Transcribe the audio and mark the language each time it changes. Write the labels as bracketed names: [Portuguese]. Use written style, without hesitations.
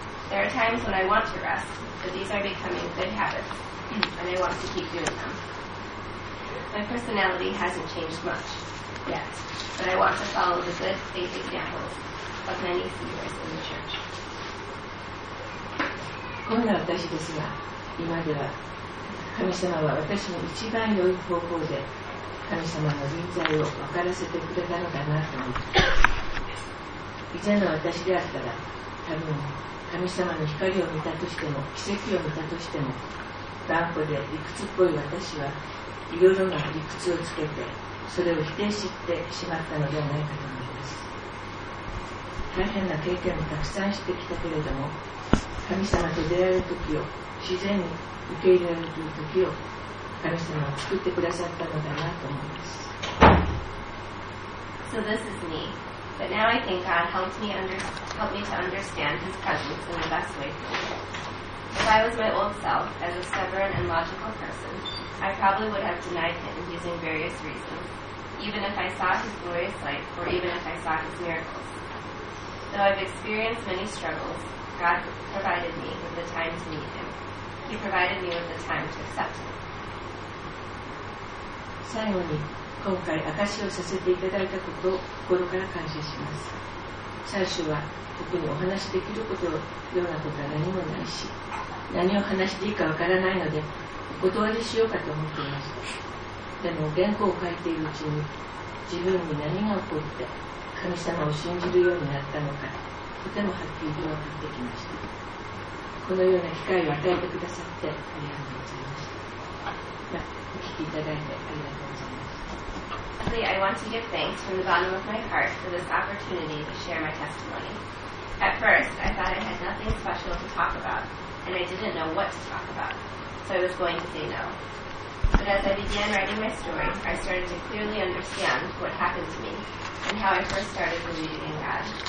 [English] There are times when I want to rest, but these are becoming good habits. And I want to keep doing them. My personality hasn't changed much yet, but I want to follow the good faith examples of many seniors in the church. [Japanese] こんな私ですが、今では神様は私の一番良い方法で神様の臨在を分からせてくれたのだなと思っています。以前の私であったら、多分神様の光を見たとしても、奇跡を見たとしても、頑固で理屈っぽい私はいろいろな理屈をつけてそれを否定してしまったのではないかと思います。大変な経験もたくさんしてきたけれども、神様と出会える時を、自然に受け入れられる時を神様は作ってくださったのだなと思います。 [English] So this is me, but now I think God helped me to understand his presence in the best way for me. If I was my old self, as a stubborn and logical person, I probably would have denied him using various reasons, even if I saw his glorious light or even if I saw his miracles. Though I've experienced many struggles, God provided me with the time to meet him. He provided me with the time to accept him. [Japanese] 最後に今回証しをさせていただいたことを心から感謝します。最初は特にお話しできることようなことは何もないし、何を話していいかわからないのでお断りしようかと思っていました。でも原稿を書いているうちに自分に何が起こって神様を信じるようになったのか、とてもはっきりと分かってきました。このような機会を与えてくださってありがとうございました。お聞きいただいてありがとうございました。 [English] Actually, I want to give thanks from the bottom of my heart for this opportunity to share my testimony. At first, I thought I had nothing special to talk about and I didn't know what to talk about, so I was going to say no. But as I began writing my story, I started to clearly understand what happened to me and how I first started believing in God.